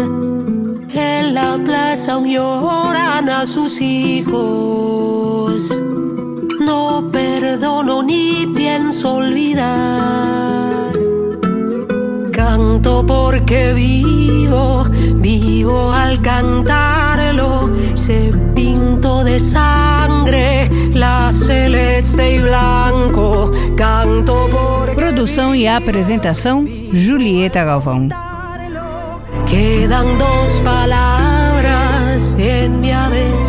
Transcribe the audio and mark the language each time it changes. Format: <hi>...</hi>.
<es>En la plaza aún lloran a sus hijos, no perdono ni pienso olvidar. canto porque vivo, vivo al cantarlo. Se pinto de sangre la celeste y blanco. Canto porque.</es> <pt>Produção e apresentação: Julieta Galvão.</pt> <es>Quedan dos palabras en mi abecedario.</es>